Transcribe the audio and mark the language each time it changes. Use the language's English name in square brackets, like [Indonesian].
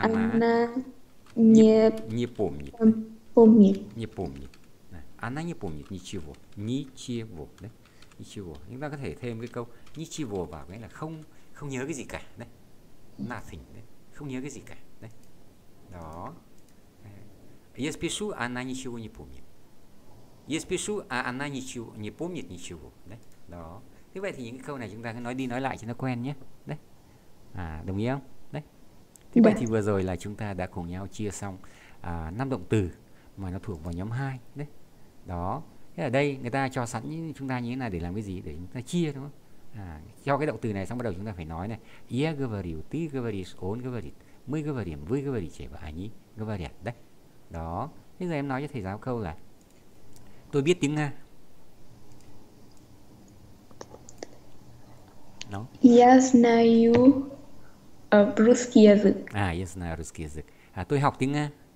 [Russian] Anna. Anna Не не помнит. помнит. Не помнит. Она не помнит ничего. Ничего, đấy. Ничего. [Vietnamese] Chúng ta có thể thêm cái câu ничего vào, nghĩa là không không nhớ cái gì cả, đấy. Nothing, đấy. Không nhớ cái gì cả, đấy. Đó. [Russian] Я спешу, она ничего не помнит. Я спешу, а она ничего не помнит ничего, đấy. [Vietnamese] Đó. Thế vậy thì những cái câu này chúng ta cứ nói đi nói lại cho nó quen nhé. Đấy. À, đồng ý không? Đấy. Thế vậy thì vừa rồi là chúng ta đã cùng nhau chia xong năm động từ mà nó thuộc vào nhóm 2 đấy. Đó. Thế ở đây người ta cho sẵn chúng ta như thế này để làm cái gì? Để chúng ta chia đúng không? Cho cái động từ này xong bắt đầu chúng ta phải nói này. [Russian] Я говорю, ты говоришь, он говорит, мы говорим, вы говорите, và они говорят. [Vietnamese] Đấy. Đó. Thế giờ em nói cho thầy giáo câu là tôi biết tiếng Nga. Đó. Yes, now you Bruce À, yes, na, русский язык. À, tôi học tiếng Nga.